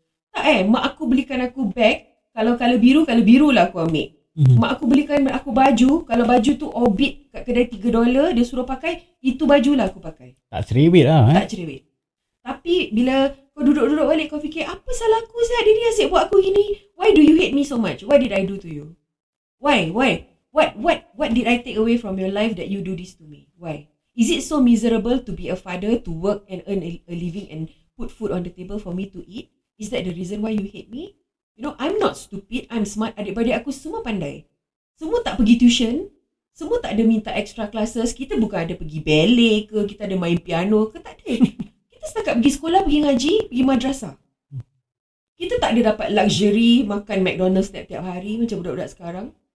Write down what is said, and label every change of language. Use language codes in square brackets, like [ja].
[ms] Tak eh, mak aku belikan aku bag. Kalau colour biru, colour biru lah aku ambil. Mak aku belikan aku baju. Kalau baju tu orbit kat kedai $3, dia suruh pakai, itu bajulah aku pakai. Tak cerewet lah eh. Tak cerewet. Tapi bila kau duduk-duduk balik, kau fikir, apa salah aku sih? Dia ni asyik buat aku gini. [en] Why do you hate me so much? What did I do to you? Why? Why? What did I take away from your life that you do this to me? Why? Is it so miserable to be a father, to work and earn a living and put food on the table for me to eat? Is that the reason why you hate me? You know, I'm not stupid. I'm smart. [ms] Adik-beradik aku semua pandai. Semua tak pergi tuition. Semua tak ada minta extra classes. Kita bukan ada pergi ballet ke, kita ada main piano ke, tak ada. Kita setakat pergi sekolah, pergi ngaji, pergi madrasah. Kita tak ada dapat luxury makan McDonald's tiap-tiap hari macam budak-budak sekarang.